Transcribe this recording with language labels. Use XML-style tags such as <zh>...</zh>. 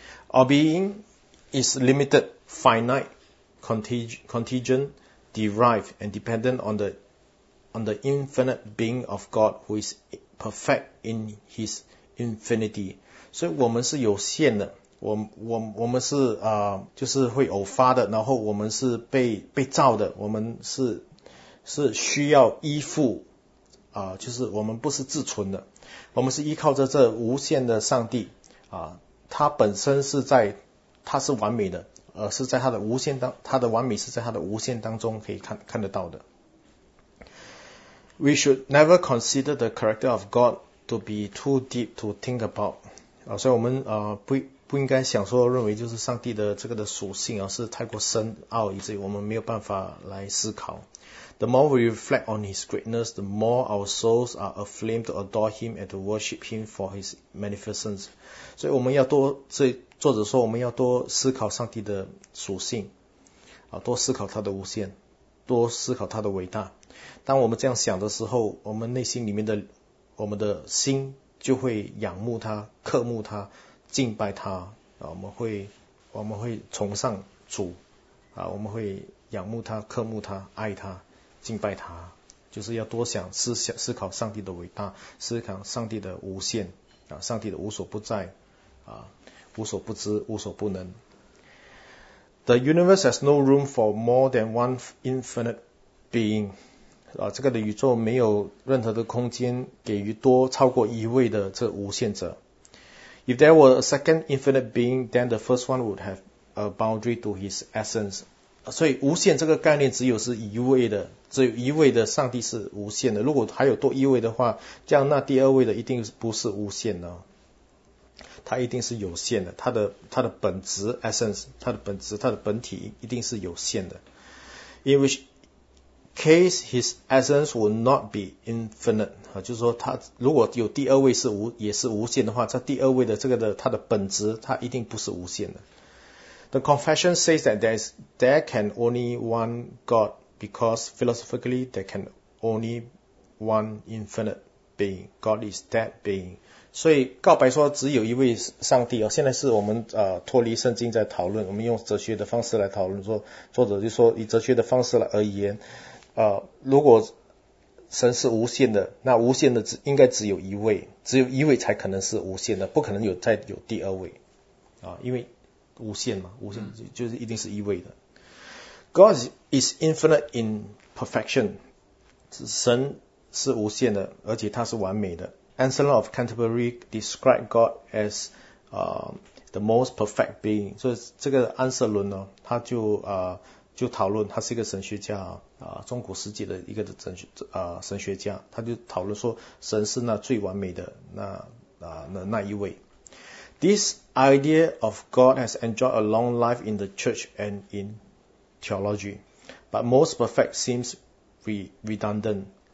<en>Our being is limited, finite, contingent, derived, and dependent on the infinite being of God, who is perfect in His infinity。</en> <zh>所以，我们是有限的，我们是就是会偶发的，然后我们是被造的，我们是需要依附就是我们不是自存的，我们是依靠着这无限的上帝他本身是在，他是完美的，是在他的无限当，他的完美是在他的无限当中可以看得到的。</zh> <en>We should never consider the character of God to be too deep to think about。</en> <zh>所以我们不应该想说认为就是上帝的这个的属性是太过深奥，以至于我们没有办法来思考。</zh> <en>The more we reflect on His greatness, the more our souls are aflame to adore Him and to worship Him for His magnificence。</en> <zh>所以我们要多，这作者说我们要多思考上帝的属性，多思考他的无限，多思考他的伟大。当我们这样想的时候，我们内心里面的，我们的心就会仰慕他、渴慕他、敬拜他。我们会崇尚主，我们会仰慕他、渴慕他、爱他。敬拜他，就是要多想、思考上帝的伟大，思考上帝的无限上帝的无所不在无所不知、无所不能。</zh> <en>The universe has no room for more than one infinite being。</en> <zh>这个的宇宙没有任何的空间给予多超过一位的这无限者。</zh> <en>If there were a second infinite being, then the first one would have a boundary to his essence。</en> <zh>所以无限这个概念只有是一位的。只有一位的上帝是无限的，如果还有多一位的话，这样那第二位的一定不是无限的，它一定是有限的，它的本质 essence，它的本质，它的本体一定是有限的。</zh> <en>In which case his essence will not be infinite</en> <zh>就是说它如果有第二位是无也是无限的话，它第二位的这个的它的本质它一定不是无限的。</zh> <en>The confession says that there can only one God。 Because philosophically, there can only one infinite being. God is that being.</en> <zh>所以告白说只有一位上帝现在是我们脱离圣经在讨论，我们用哲学的方式来讨论。说作者就说以哲学的方式来而言，如果神是无限的，那无限的只应该只有一位，只有一位才可能是无限的，不可能有再有第二位因为无限嘛，无限就是一定是一位的。</zh> <en>God is infinite in perfection。</en> <zh>神是无限的，而且他是完美的。</zh> <en>Anselm of Canterbury described God as the most perfect being。</en> <zh>所以这个安瑟伦呢，他就讨论，他是一个神学家中古世纪的一个的神学家，他就讨论说神是那最完美的那一位。</zh> <en>This idea of God has enjoyed a long life in the church and in theology, but most perfect seems redundant。</en>